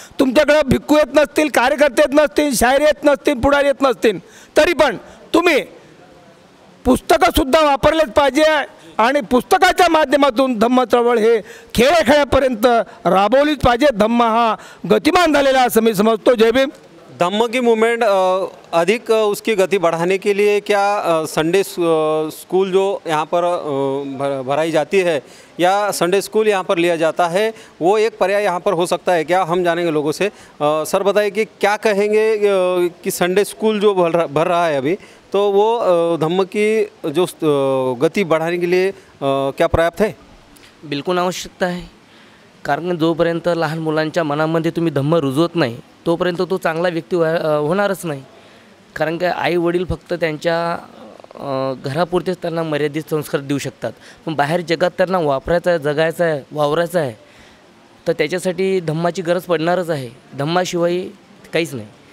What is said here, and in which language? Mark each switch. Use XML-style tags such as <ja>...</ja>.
<mr>तुमच्याकडे भिक्खू येत नसतील, कार्यकर्ते येत नसतील, शायरी येत नसतील, पुढारी येत नसतील, तरी पण तुम्ही पुस्तकंसुद्धा वापरलेच पाहिजे आणि पुस्तकाच्या माध्यमातून धम्म चळवळ हे खेड्याखेड्यापर्यंत राबवलीच पाहिजे। धम्म हा गतिमान झालेला असं मी समजतो। जय भीम।</mr> <hi>धम्म की मूवमेंट अधिक उसकी गति बढ़ाने के लिए क्या संडे स्कूल जो यहाँ पर भराई जाती है या संडे स्कूल यहाँ पर लिया जाता है वो एक पर्याय यहाँ पर हो सकता है क्या? हम जानेंगे लोगों से। सर बताइए कि क्या कहेंगे कि संडे स्कूल जो भर रहा है अभी, तो वो धम्म की जो गति बढ़ाने के लिए क्या पर्याप्त है?</hi> <mr>बिल्कुल आवश्यकता है, कारण जोपर्यंत लहान मुलांच्या मनामध्ये तुम्ही धम्म रुजवत नाही तोपर्यंत तो चांगला व्यक्ती होणारच नाही, कारण काय आई वडील फक्त त्यांच्या घरापुरतेच त्यांना मर्यादित संस्कार देऊ शकतात, पण बाहेर जगात त्यांना वापरायचं आहे, जगायचं आहे, वावरायचं आहे, तर त्याच्यासाठी धम्माची गरज पडणारच आहे, धम्माशिवाय काहीच नाही।</mr>